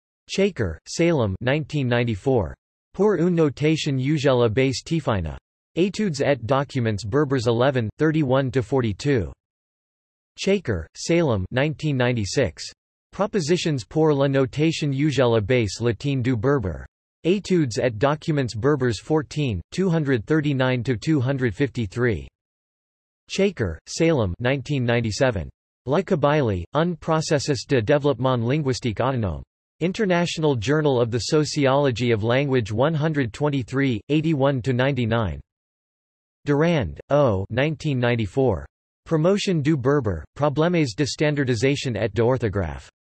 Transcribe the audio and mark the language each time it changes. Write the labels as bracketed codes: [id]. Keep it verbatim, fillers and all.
[en] Chaker, Salem, nineteen ninety-four. [fr] Pour une notation usuelle base Tifina. Études et documents berbers [en] eleven, thirty-one to forty-two. [fr] Chaker, Salem, [en] nineteen ninety-six. [fr] Propositions pour la notation usuelle base latine du berber. Études et documents berbers [en] fourteen, two thirty-nine to two fifty-three. Chaker, Salem, nineteen ninety-seven. [fr] Le Kabylie, un processus de développement linguistique autonome. [en] International Journal of the Sociology of Language one twenty-three, eighty-one to ninety-nine. [fr] Durand, O. [en] nineteen ninety-four. [fr] Promotion du Berber, Problèmes de standardisation et d'orthographe.